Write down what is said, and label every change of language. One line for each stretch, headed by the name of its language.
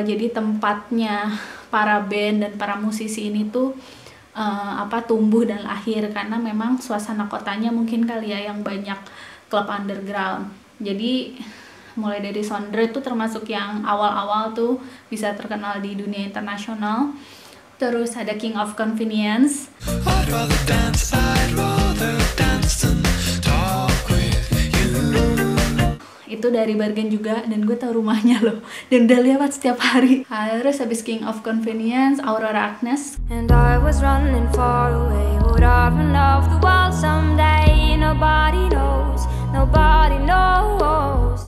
Indonesian: Jadi tempatnya para band dan para musisi ini tuh tumbuh dan lahir, karena memang suasana kotanya mungkin kali ya yang banyak klub underground. Jadi mulai dari Sondre tuh termasuk yang awal-awal tuh bisa terkenal di dunia internasional. Terus ada King of Convenience.
English: I'd rather dance, I'd rather dance than talk with you.
Indonesian: Itu dari Bergen juga, dan gue tau rumahnya loh, dan udah lewat setiap hari. Harus habis King of Convenience, Aurora Agnes.
English: And I was running far away, would I run off the world someday, nobody knows, nobody knows.